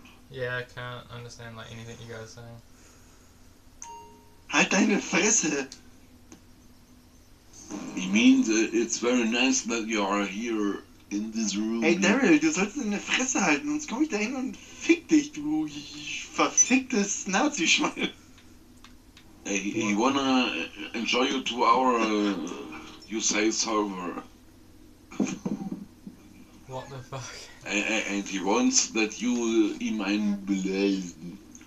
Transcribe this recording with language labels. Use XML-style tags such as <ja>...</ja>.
<en>Yeah, I can't understand, like, anything you guys are saying.</en> <de>Halt deine Fresse!</de> <en>He means it's very nice that you are here in this room.</en> <de>Hey, Daryl, du solltest deine Fresse halten, sonst komm ich da hin und fick dich, du verficktes Nazi-Schwein.</de> <en>Hey, you wanna enjoy your 2-hour USA server? What the fuck? And he wants that you eat my blazen.</en>